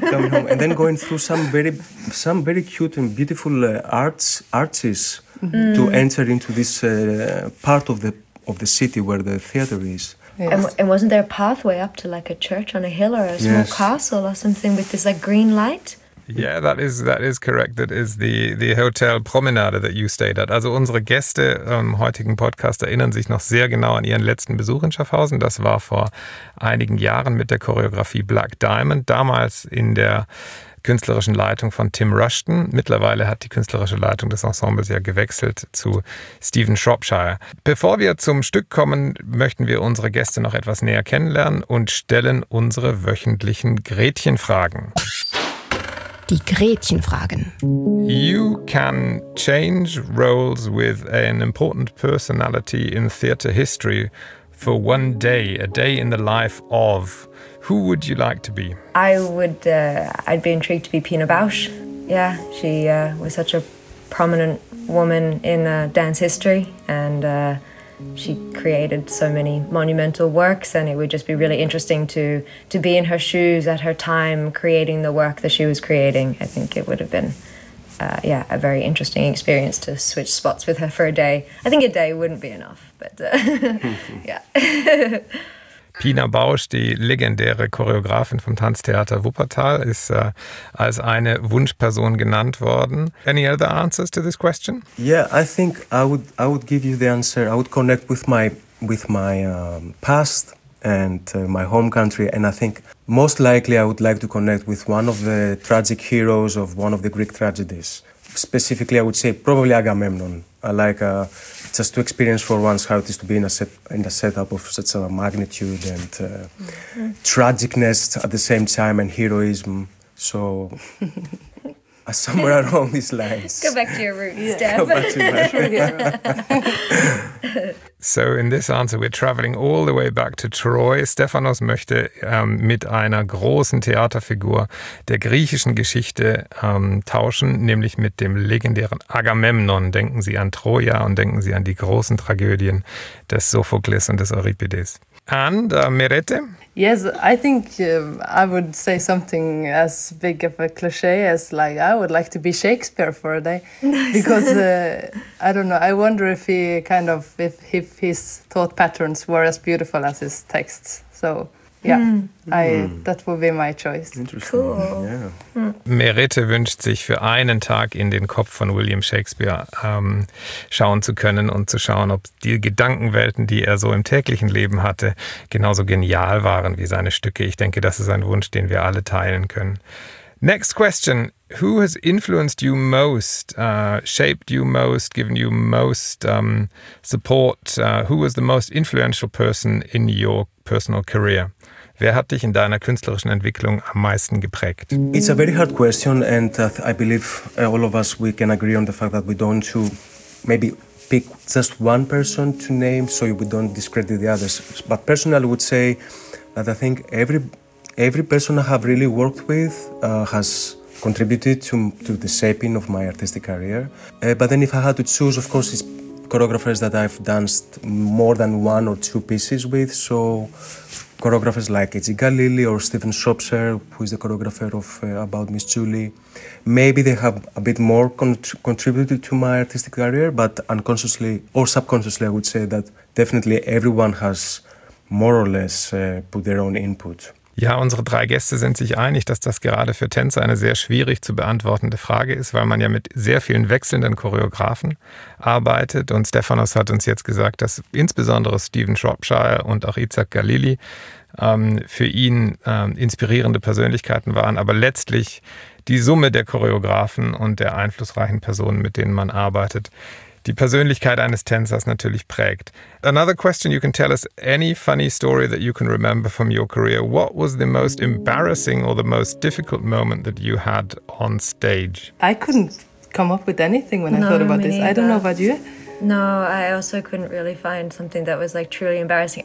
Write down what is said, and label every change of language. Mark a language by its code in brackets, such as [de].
[en] Coming home and then going through some very cute and beautiful arches to enter into this part of the city where the theater is. Yes. And wasn't there a pathway up to like a church on a hill or a small castle or something with this like green light? Yeah, that is correct. That is the Hotel Promenade that you stayed at. [de] Also unsere Gäste im heutigen Podcast erinnern sich noch sehr genau an ihren letzten Besuch in Schaffhausen. Das war vor einigen Jahren mit der Choreografie Black Diamond, damals in der künstlerischen Leitung von Tim Rushton. Mittlerweile hat die künstlerische Leitung des Ensembles ja gewechselt zu Stephen Shropshire. Bevor wir zum Stück kommen, möchten wir unsere Gäste noch etwas näher kennenlernen und stellen unsere wöchentlichen Gretchenfragen. Die Gretchenfragen. [en] You can change roles with an important personality in theater history for one day, a day in the life of. Who would you like to be? I'd be intrigued to be Pina Bausch. Yeah, she was such a prominent woman in dance history, and she created so many monumental works, and it would just be really interesting to be in her shoes at her time creating the work that she was creating. I think it would have been a very interesting experience to switch spots with her for a day. I think a day wouldn't be enough, but yeah. [de] Pina Bausch, die legendäre Choreografin vom Tanztheater Wuppertal, ist als eine Wunschperson genannt worden. [en] Any other answers to this question? Yeah, I think I would give you the answer. I would connect with my past and my home country, and I think most likely I would like to connect with one of the tragic heroes of one of the Greek tragedies. Specifically, I would say probably Agamemnon. I like just to experience for once how it is to be in a setup of such a magnitude and tragicness at the same time and heroism. So somewhere along these lines. Go back to your roots, Steph. Go back to your roots. So in this answer, we're traveling all the way back to Troy. [de] Stephanos möchte mit einer großen Theaterfigur der griechischen Geschichte tauschen, nämlich mit dem legendären Agamemnon. Denken Sie an Troja und denken Sie an die großen Tragödien des Sophokles und des Euripides. [en] And Merete? Yes, I think I would say something as big of a cliche as like I would like to be Shakespeare for a day. Nice. Because I don't know, I wonder if his thought patterns were as beautiful as his texts. So yeah, that would be my choice. Interesting. Cool. Yeah. [de] Merete wünscht sich für einen Tag in den Kopf von William Shakespeare schauen zu können und zu schauen, ob die Gedankenwelten, die er so im täglichen Leben hatte, genauso genial waren wie seine Stücke. Ich denke, das ist ein Wunsch, den wir alle teilen können. [en] Next question. Who has influenced you most, shaped you most, given you most support? Who was the most influential person in your personal career? [de] Wer hat dich in deiner künstlerischen Entwicklung am meisten geprägt? [en] It's a very hard question, and I believe all of us, we can agree on the fact that we don't to maybe pick just one person to name, so we don't discredit the others. But personally, I would say that I think every person I have really worked with has contributed to the shaping of my artistic career. But then if I had to choose, of course, it's choreographers that I've danced more than one or two pieces with, so choreographers like Edgy Galili or Stephen Shropshire, who is the choreographer of About Miss Julie. Maybe they have a bit more contributed to my artistic career, but unconsciously or subconsciously, I would say that definitely everyone has more or less put their own input. [de] Ja, unsere drei Gäste sind sich einig, dass das gerade für Tänzer eine sehr schwierig zu beantwortende Frage ist, weil man ja mit sehr vielen wechselnden Choreografen arbeitet. Und Stephanos hat uns jetzt gesagt, dass insbesondere Stephen Shropshire und auch Itzhak Galili für ihn inspirierende Persönlichkeiten waren, aber letztlich die Summe der Choreografen und der einflussreichen Personen, mit denen man arbeitet, die Persönlichkeit eines Tänzers natürlich prägt. [en] Another question, you can tell us any funny story that you can remember from your career. What was the most embarrassing or the most difficult moment that you had on stage? I couldn't come up with anything when no, I thought about me this. Either. I don't know about you. No, I also couldn't really find something that was like truly embarrassing.